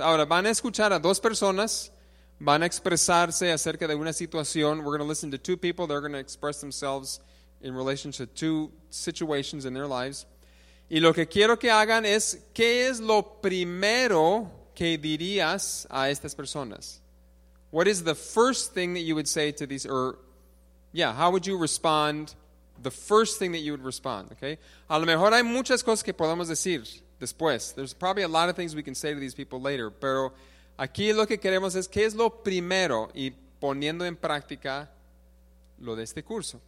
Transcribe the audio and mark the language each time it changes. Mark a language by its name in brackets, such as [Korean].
[Spanish] Ahora van a escuchar a dos personas, van a expresarse acerca de una situación. [English] We're going to listen to two people. They're going to express themselves in relation to two situations in their lives. [Spanish] Y lo que quiero que hagan es, ¿qué es lo primero que dirías a estas personas? [English] What is the first thing that you would say to these, how would you respond? The first thing that you would respond, okay? [Spanish] A lo mejor hay muchas cosas que podemos decir después. [English] There's probably a lot of things we can say to these people later. [Spanish] Pero aquí lo que queremos es, ¿qué es lo primero? Y poniendo en práctica lo de este curso.